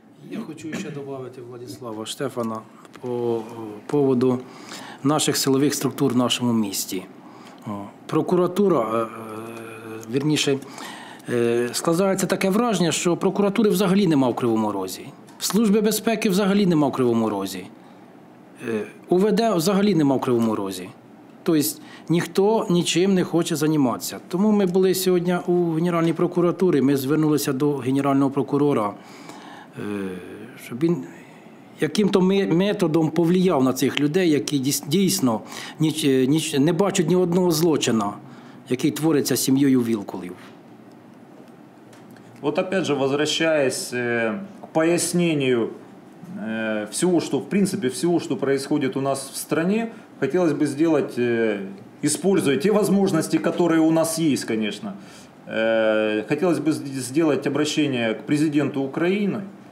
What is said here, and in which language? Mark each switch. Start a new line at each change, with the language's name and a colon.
Russian: Я хочу еще добавить Владислава Штефана по поводу наших силовых структур в нашем месте. Прокуратура, вернее, складывается такое впечатление, что прокуратуры
Ukrainian: взагалі нема в Кривому Розі. Служби безпеки взагалі нема в Кривому Розі. УВД взагалі нема в Кривому Розі. Тобто ніхто нічим не хоче займатися. Тому ми були сьогодні у Генеральній прокуратурі, ми звернулися до Генерального прокурора, щоб він
Russian: яким-то методом повлияв
Ukrainian: на цих людей, які дійсно не бачать ні одного злочину, який твориться сім'єю Вілкулів.
Russian: От, опять же, возвращаясь к поясненню всего, что в принципе всего, что происходит у нас в стране, хотелось бы сделать, используя те возможности, которые у нас есть, конечно, хотелось бы сделать обращение к президенту Украины.